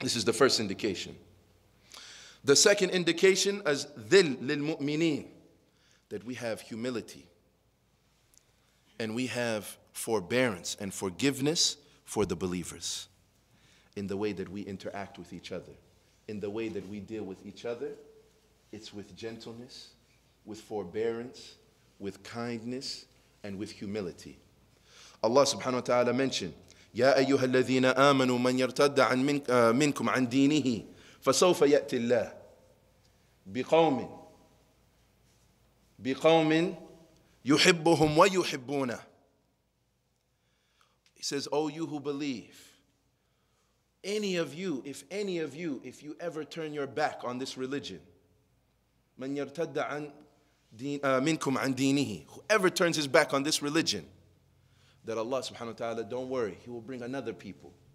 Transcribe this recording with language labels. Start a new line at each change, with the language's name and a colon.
English: This is the first indication. The second indication is dhil lil mu'mineen, that we have humility and we have forbearance and forgiveness for the believers in the way that we interact with each other, in the way that we deal with each other. It's with gentleness, with forbearance, with kindness, and with humility.
Arabic: Allah subhanahu wa ta'ala mentioned, يَا أَيُّهَا الَّذِينَ آمَنُوا مَنْ يَرْتَدَّ عَنْ مِنْكُمْ عَنْ دِينِهِ فَسَوْفَ يَأْتِ اللَّهِ بِقَوْمٍ يُحِبُّهُمْ وَيُحِبُّونَ.
English: He says, O you who believe, any of you, if you ever turn your back on this religion,
Arabic: مَنْ يَرْتَدَّ عَنْ مِنْكُمْ عَنْ دِينِهِ,
English: whoever turns his back on this religion, that Allah subhanahu wa ta'ala, don't worry, He will bring another people.